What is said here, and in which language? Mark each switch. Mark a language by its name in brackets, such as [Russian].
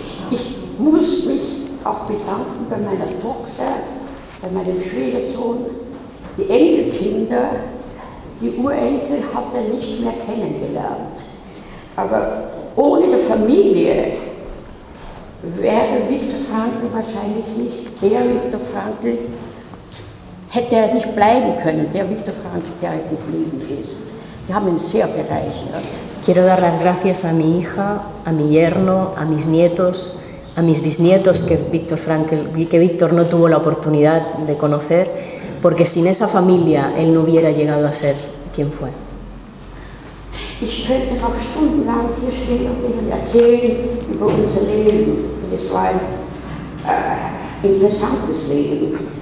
[German] Ich muss mich auch bedanken bei meiner Tochter, bei meinem Schwiegersohn, die Enkelkinder, die Urenkel hat er nicht mehr kennengelernt. Aber ohne die Familie wäre Viktor Frankl wahrscheinlich nicht der Viktor Frankl, hätte er nicht bleiben können, der Viktor Frankl, der er geblieben ist. Die haben ihn sehr bereichert. [Spanish] Quiero dar las gracias a mi hija, a mi yerno, a mis nietos, a mis bisnietos que Viktor no tuvo la oportunidad de conocer, porque sin esa familia él no hubiera llegado a ser quien fue. [German] Ich könnte noch stundenlang hier stehen und Ihnen erzählen über unser Leben. Und es war ein interessantes Leben.